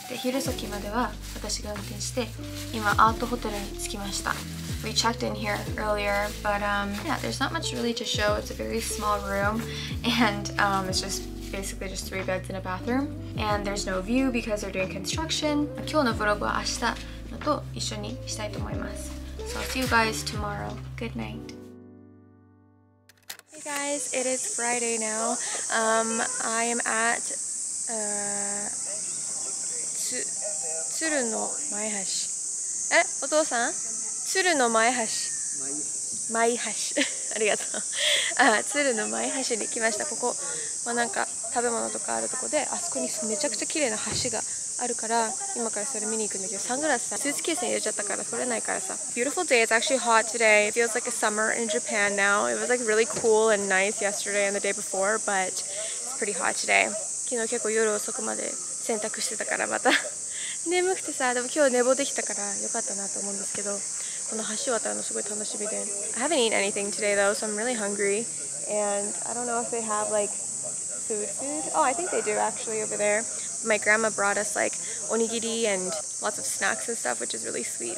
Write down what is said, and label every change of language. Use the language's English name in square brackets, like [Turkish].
[Japanese] で、hirosaki までは私が運転して、今アートホテルに着きました。 [English] We checked in here earlier, but yeah, there's not much really to show. It's a very small room, and it's just basically just three beds and a bathroom. And there's no view because they're doing construction. [Japanese] 今日のブログは明日と一緒にしたいと思います。 [English] So I'll see you guys tomorrow. Good night. Hey guys, it is Friday now. I am at Tsuru no Maihashi. [Japanese] お父さん? 鶴の前橋、前橋、ありがとう。鶴の前橋に来ました。ここ、まあ、なんか食べ物とかあるとこで、あそこにめちゃくちゃ綺麗な橋があるから、今からそれ見に行くんだけど、サングラスさ、スーツケースに入れちゃったから取れないからさ。 [English] Beautiful day. It's actually hot today. It feels like a summer in Japan now. It was like really cool and nice yesterday and the day before, but it's pretty hot today. [Japanese] 昨日結構夜遅くまで洗濯してたからまた。眠くてさ、でも今日寝坊できたからよかったなと思うんですけど、この橋渡るのすごい楽しみで。 [English] I haven't eaten anything today though, so I'm really hungry. And I don't know if they have like food. Oh, I think they do actually over there. My grandma brought us like onigiri and lots of snacks and stuff, which is really sweet.